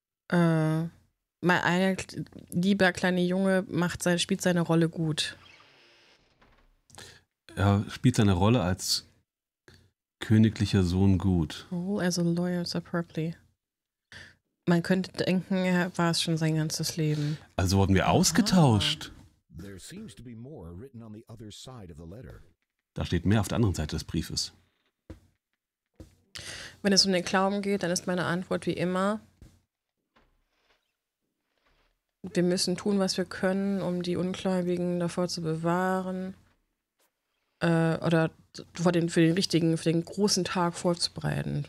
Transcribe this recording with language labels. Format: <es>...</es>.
<de>Mein eigener lieber kleiner Junge spielt seine Rolle gut. Er spielt seine Rolle als königlicher Sohn gut.</de> <en>Oh, as a loyal superbly.</en> <de>Man könnte denken, er war es schon sein ganzes Leben. Also wurden wir ausgetauscht.</de> <en>There seems to be more written on the other side of the letter.</en> <de>Da steht mehr auf der anderen Seite des Briefes. Wenn es um den Glauben geht, dann ist meine Antwort wie immer: Wir müssen tun, was wir können, um die Ungläubigen davor zu bewahren. Oder für den großen Tag vorzubereiten.</de>